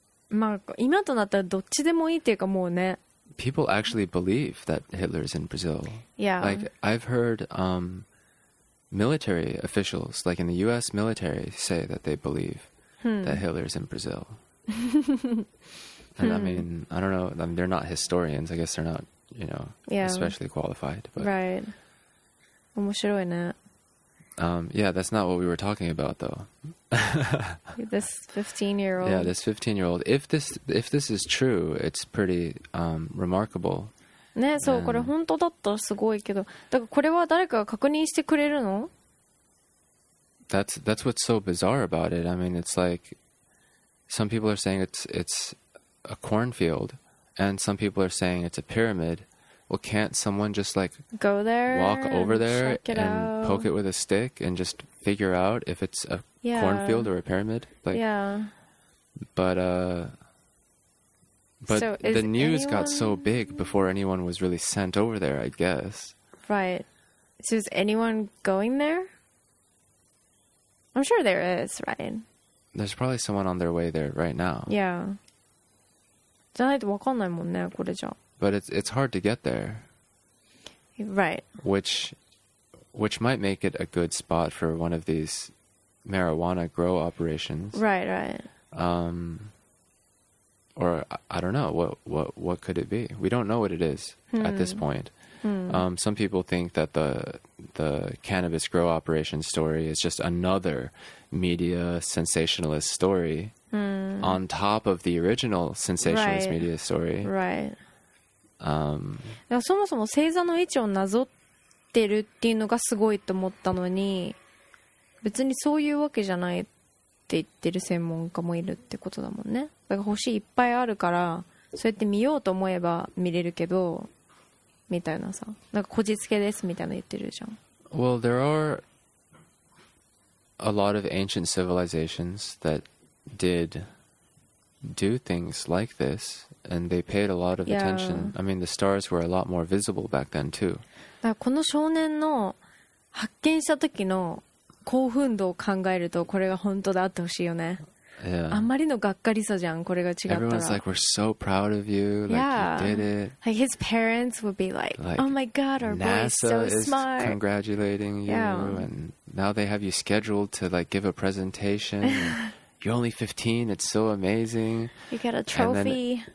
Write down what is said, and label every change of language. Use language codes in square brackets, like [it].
[ja] まあ、今となったらどっちでもいいっていうかもうね。 [en] People actually believe that Hitler is in Brazil. Yeah. Like, I've heard military officials, like in the U.S. military, say that they believe that Hitler is in Brazil. and I mean, I don't know. I mean, they're not historians. I guess they're not, you know, yeah. especially qualified. But, right. [ja] 面白いね。 [en] Yeah, that's not what we were talking about, though. this 15-year-old. Yeah, this 15-year-old. If this is true, it's pretty remarkable. [ja] ね、そう、これ本当だったらすごいけど。だからこれは誰かが確認してくれるの? [en] That's what's so bizarre about it. I mean, it's like... Some people are saying it's a cornfield, and some people are saying it's a pyramid. Well, can't someone just like go there, walk over there, and poke it with a stick and just figure out if it's a yeah. cornfield or a pyramid? Like, yeah. But the news got so big before anyone was really sent over there, I guess. Right. So is anyone going there? I'm sure there is, right? There's probably someone on their way there right now. Yeah. [ja] じゃないと分かんないもんね、これじゃ。 [en] But it's hard to get there. Right. Which might make it a good spot for one of these marijuana grow operations. Right, right. Or I don't know, what could it be? We don't know what it is at this point. Some people think that the cannabis grow operation story is just another media sensationalist story on top of the original sensationalist right. media story. Right. [ja] そもそも星座の位置をなぞってるっていうのがすごいと思ったのに、別にそういうわけじゃないって言ってる専門家もいるってことだもんね。だから星いっぱいあるから、そうやって見ようと思えば見れるけど。みたいなさ、なんかこじつけですみたいな言ってるじゃん。 [en] Well, there are a lot of ancient civilizations that did do things like this, and they paid a lot of attention. Yeah. I mean, the stars were a lot more visible back then too. [ja] だからこの少年の発見した時の興奮度を考えると、これが本当であってほしいよね。 [en] Yeah. [ja] あんまりのがっかりさじゃん、これが違ったら。 [en] Everyone's like, we're so proud of you, like、 yeah. you did it. Like his parents would be like, oh my god, our boy is so smart. NASA is congratulating you,、yeah. and now they have you scheduled to like give a presentation. You're only 15, it's so amazing. You get a trophy.